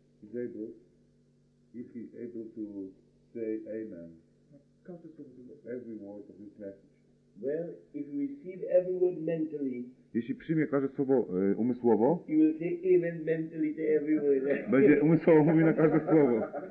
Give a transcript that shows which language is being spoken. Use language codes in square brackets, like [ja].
[en] Is able, if he's able to say amen, every word of this message. Well, if you receive every word mentally, [pl] jeśli przyjmie każde słowo umysłowo, [en] he will say amen mentally to every word. [pl] Będzie umysłowo mówił na każde słowo.